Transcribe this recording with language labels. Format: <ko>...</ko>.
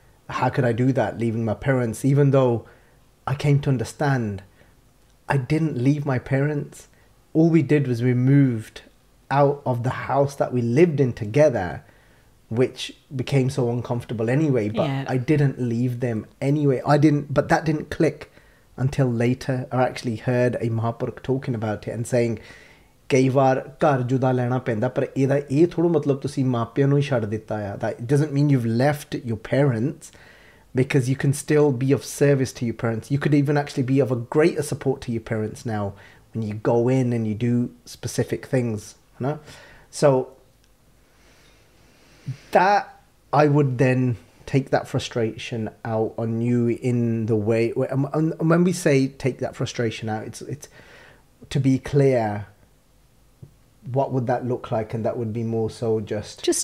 <en>How could I do that, leaving my parents? Even though I came to understand, I didn't leave my parents. All we did was we moved out of the house that we lived in together, which became so uncomfortable anyway, but I didn't leave them anyway. But that didn't click until later. I actually heard a Mahapurukh talking about it and saying,</en> <pa>ਕਈ ਵਾਰ ਘਰ ਜੁਦਾ ਲੈਣਾ ਪੈਂਦਾ ਪਰ ਇਹਦਾ ਇਹ ਥੋੜ੍ਹਾ ਮਤਲਬ ਤੁਸੀਂ ਮਾਪਿਆਂ ਨੂੰ ਹੀ ਛੱਡ ਦਿੱਤਾ ਆ</pa> <en>That doesn't mean you've left your parents because you can still be of service to your parents you could even actually be of a great support to your parents now when you go in and you do specific things ਹੈ ਨਾ so that I would then take that frustration out on you in the way, and when we say take that frustration out, it's to be clear, what would that look like? And that would be more so just</en>